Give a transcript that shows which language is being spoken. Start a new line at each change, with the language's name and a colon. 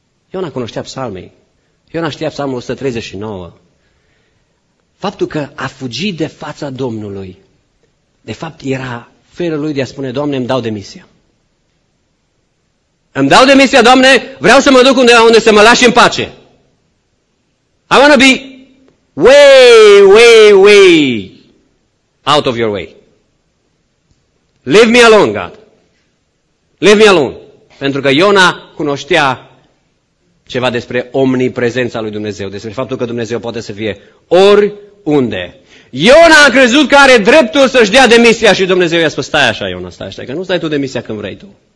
Romanian: Iona cunoștea psalmii. Iona știa psalmul 139. Faptul că a fugit de fața Domnului, de fapt era felul lui de a spune, Doamne, îmi dau demisia. Îmi dau demisia, Doamne, vreau să mă duc undeva unde să mă lași în pace.
English: I want to be way, way, way out of your way. Leave me alone, God. Leave me alone.
Romanian: Pentru că Iona cunoștea ceva despre omniprezența lui Dumnezeu, despre faptul că Dumnezeu poate să fie oriunde. Iona a crezut că are dreptul să-și dea demisia și Dumnezeu i-a spus, stai așa, Iona, stai așa, că nu stai tu demisia când vrei tu.